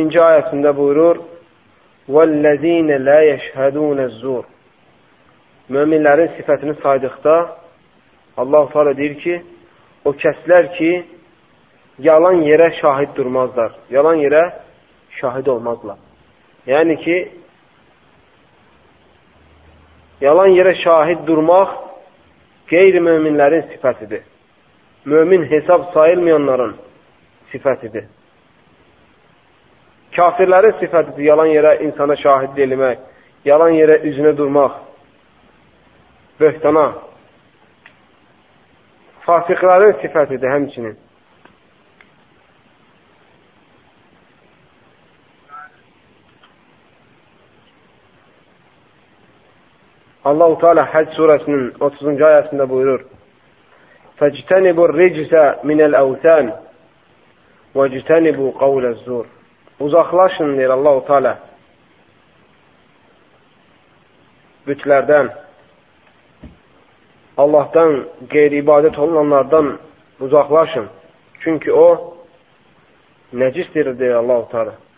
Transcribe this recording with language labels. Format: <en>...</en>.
<tr>ayetinde buyurur:</tr> <ar>وَالَّذ۪ينَ لَا يَشْهَدُونَ الزُّورِ.</ar> <tr>Müminlerin sifatını saydıkta Allah-u Teala deyir ki, o kesler ki yalan yere şahit durmazlar. Yalan yere şahit olmazlar. Yani ki yalan yere şahit durmak gayrimüminlerin sifatidir. Mümin hesap sayılmayanların sifatidir. Kafirlerin sifatidir yalan yere insana şahit edilmek, yalan yere üzüne durmak, böhtana. Fasıkların sifatidir hemçinin. Allah-u Teala Hac suresinin 30. ayasında buyurur:</tr> <ar>فَجْتَنِبُ الرِّجْسَ مِنَ الْاَوْثَانِ وَجْتَنِبُ قَوْلَ الزُّورِ.</ar> <tr>Uzaklaşın der Allah-u Teala bütlerden, Allah'tan gayri ibadet olanlardan uzaklaşın. Çünkü o necistir der Allah-u Teala.</tr>